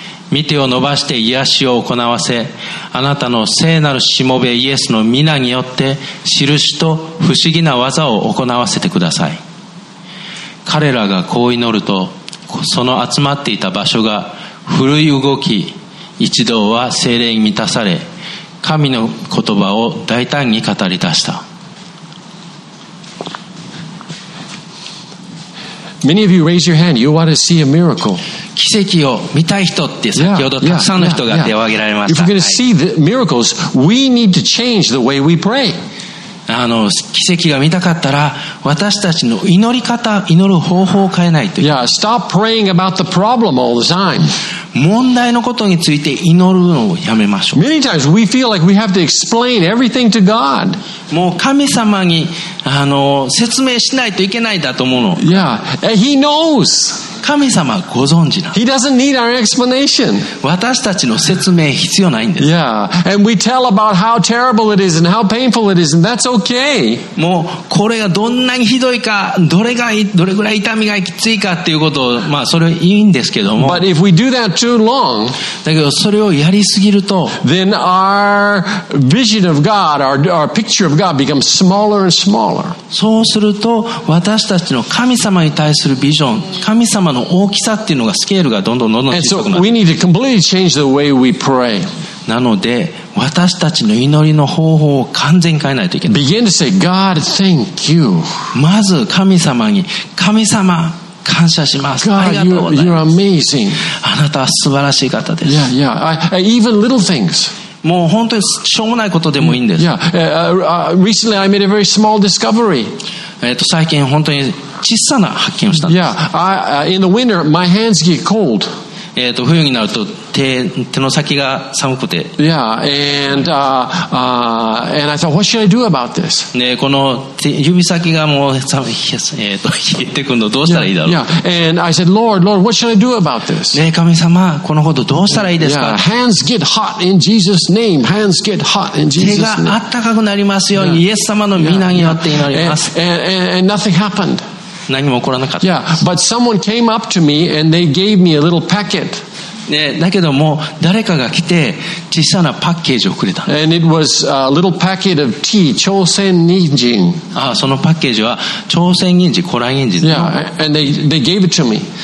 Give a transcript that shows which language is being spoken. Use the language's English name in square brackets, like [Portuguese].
[Japanese] 御手を伸ばして癒しを行わせ、あなたの聖なるしもべイエスの御名によって印と不思議な技を行わせてください。彼らがこう祈ると、その集まっていた場所が古い動き、一同は聖霊に満たされ、神の言葉を大胆に語り出した。 [English] Many of you raise your hand. You want to see a miracle. [Japanese] 奇跡を見たい人って先ほどたくさんの人が手を挙げられました。 [English] If we're going to see the miracles, we need to change the way we pray. [Japanese] 奇跡が見たかったら、私たちの祈り方、祈る方法を変えないという。 [English] Yeah, stop praying about the problem all the time. [Japanese] 問題のことについて祈るのをやめましょう。 [English] Many times we feel like we have to explain everything to God. [Japanese] もう神様に説明しないといけないだと思うの。 [English] Yeah, and He knows. [Japanese] 神様はご存知なんです。 [English] He doesn't need our explanation. [Japanese] 私たちの説明必要ないんです。 [English] Yeah. And we tell about how terrible it is and how painful it is, and that's okay. [Japanese] もうこれがどんなにひどいか、どれぐらい痛みがきついかっていうことを、まあそれはいいんですけども。 [English] But if we do that too long, [Japanese] だけどそれをやりすぎると、 [English] then our vision of God, our picture of God becomes smaller and smaller. [Japanese] そうすると私たちの神様に対するビジョン、神様の大きさっていうのがスケールがどんどん小さくなって、 [English] so、we need to completely change the way we pray. [Japanese] なので私たちの祈りの方法を完全に変えないといけない。 [English] Begin to say, God, thank you. [Japanese] まず神様に、神様感謝します、 [English] God, [Japanese] ありがとうございます。 [English] you're amazing. [Japanese] あなたは素晴らしい方です。 [English] yeah. Even little things. [Japanese] もう本当にしょうもないことでもいいんです。 [English] Recently I made a very small discovery. [Japanese] 最近本当に小さな発見をしたんです。 [English] Yeah, in the winter my hands get cold. [Japanese] 冬になると手の先が寒くて [English] and I thought, what should I do about this? [Japanese] この指先がもう冷えてくるのどうしたらいいだろう [English] and I said, Lord, what should I do about this? [Japanese] ね、神様、このことどうしたらいいですか? [English] Hands get hot in Jesus' name. Hands get hot in Jesus' name. [Japanese] 手が温かくなりますように イエス様の御名によって祈ります [English] and nothing happened. [Japanese] 何も起こらなかった [English] Yeah, but someone came up to me and they gave me a little packet. [Japanese] だけども誰かが来て小さなパッケージをくれた。 [English] And it was a little packet of tea, 朝鮮人参. [Japanese] そのパッケージは朝鮮人参、コラーゲン人参. [English] Yeah, and they gave it to me.